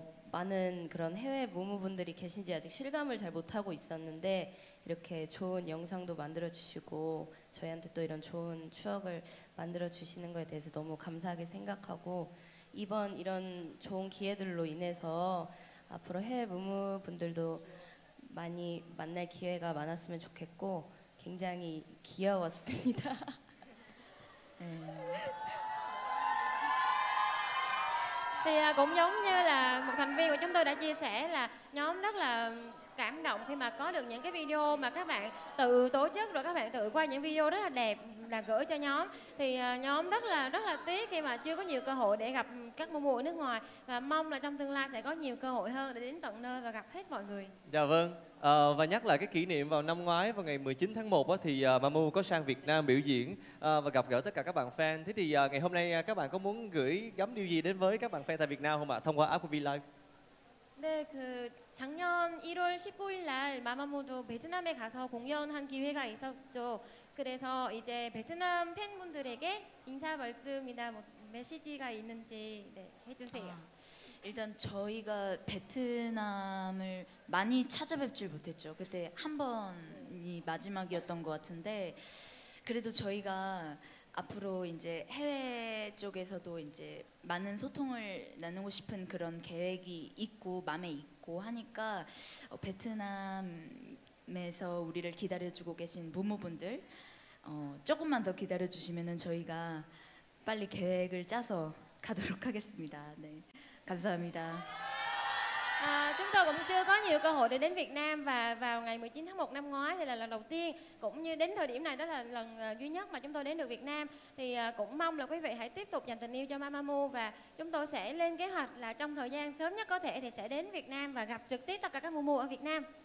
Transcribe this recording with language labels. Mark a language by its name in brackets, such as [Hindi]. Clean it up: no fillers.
[Korean] 많은 그런 해외 무무분들이 계신지 아직 실감을 잘 못하고 있었는데 이렇게 좋은 영상도 만들어주시고 저희한테 또 이런 좋은 추억을 만들어주시는 거에 대해서 너무 감사하게 생각하고 이번 이런 좋은 기회들로 인해서 앞으로 해외 무무분들도 많이 만날 기회가 많았으면 좋겠고 굉장히 귀여웠습니다. 네. [Vietnamese] Thì cũng giống như là một thành viên của chúng tôi đã chia sẻ là nhóm rất là cảm động khi mà có được những cái video mà các bạn tự tổ chức rồi các bạn tự quay những video rất là đẹp là gửi cho nhóm. Thì nhóm rất là tiếc khi mà chưa có nhiều cơ hội để gặp các Mamamoo ở nước ngoài và mong là trong tương lai sẽ có nhiều cơ hội hơn để đến tận nơi và gặp hết mọi người. Dạ vâng. Và nhắc lại cái kỷ niệm vào năm ngoái vào ngày 19 tháng 1 thì Mamamoo có sang Việt Nam biểu diễn và gặp gỡ tất cả các bạn fan. Thế thì ngày hôm nay các bạn có muốn gửi gắm điều gì đến với các bạn fan tại Việt Nam không ạ? Thông qua app của VLive. [Korean] 네, 그 작년 1월 19일 날 마마무도 베트남에 가서 공연한 기회가 있었죠. 그래서 이제 베트남 팬분들에게 인사 말씀이나 뭐 메시지가 있는지 네, 해주세요. 일단 저희가 베트남을 많이 찾아뵙질 못했죠. 그때 한 번이 마지막이었던 것 같은데 그래도 저희가 앞으로 이제 해외 쪽에서도 이제 많은 소통을 나누고 싶은 그런 계획이 있고 마음에 있고 하니까 베트남에서 우리를 기다려주고 계신 무무분들 조금만 더 기다려주시면은 저희가 빨리 계획을 짜서 가도록 하겠습니다. 네, 감사합니다. [Vietnamese] À, chúng tôi cũng chưa có nhiều cơ hội để đến Việt Nam và vào ngày 19 tháng 1 năm ngoái thì là lần đầu tiên, cũng như đến thời điểm này đó là lần duy nhất mà chúng tôi đến được Việt Nam. Thì cũng mong là quý vị hãy tiếp tục dành tình yêu cho Mamamoo và chúng tôi sẽ lên kế hoạch là trong thời gian sớm nhất có thể thì sẽ đến Việt Nam và gặp trực tiếp tất cả các Mumu ở Việt Nam.